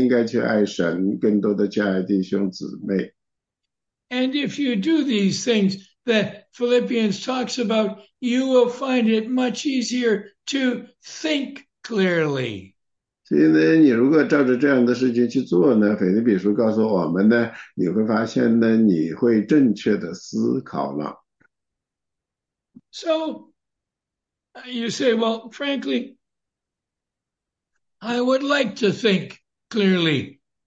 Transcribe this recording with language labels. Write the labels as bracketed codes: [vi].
[zh] 但是基督徒呢，要学会呢正确的思考，不仅仅说只爱马，他们应该去爱神，更多的去爱弟兄姊妹。 [en] And if you do these things that Philippians talks about, you will find it much easier to think clearly. [zh] 所以呢，你如果照着这样的事情去做呢，腓立比书告诉我们呢，你会发现呢，你会正确的思考了。 [en] So you say, well, frankly, I would like to think clearly.